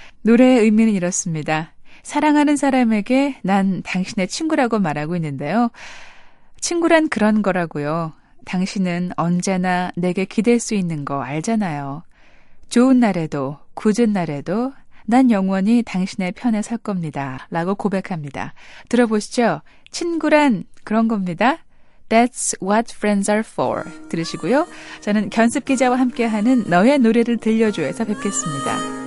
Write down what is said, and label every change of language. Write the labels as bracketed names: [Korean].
[Korean] 노래의 의미는 이렇습니다. 사랑하는 사람에게 난 당신의 친구라고 말하고 있는데요. 친구란 그런 거라고요. 당신은 언제나 내게 기댈 수 있는 거 알잖아요. 좋은 날에도 굳은 날에도 난 영원히 당신의 편에 설 겁니다. 라고 고백합니다. 들어보시죠. 친구란 그런 겁니다. [English] That's what friends are for. [Korean] 들으시고요. 저는 견습 기자와 함께하는 너의 노래를 들려줘에서 뵙겠습니다.